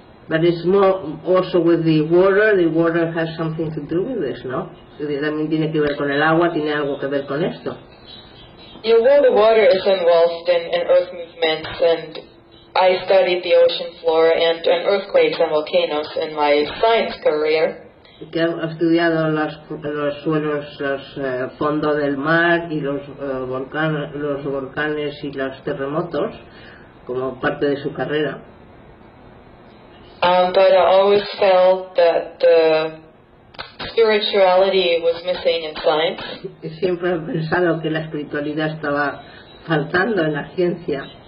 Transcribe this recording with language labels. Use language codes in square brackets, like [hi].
[en] But it's more also with the water. The water has something to do with this, no? [es] También tiene que ver con el agua, tiene algo que ver con esto. [en] Yeah, well, the water is involved in earth movements, and I studied the ocean floor and earthquakes and volcanoes in my science career. [es] que ha estudiado los suelos, los fondo del mar y los volcanes y los terremotos como parte de su carrera. [en] But I always felt that the spirituality was missing in science. [es] Siempre he pensado que la espiritualidad estaba faltando en la ciencia.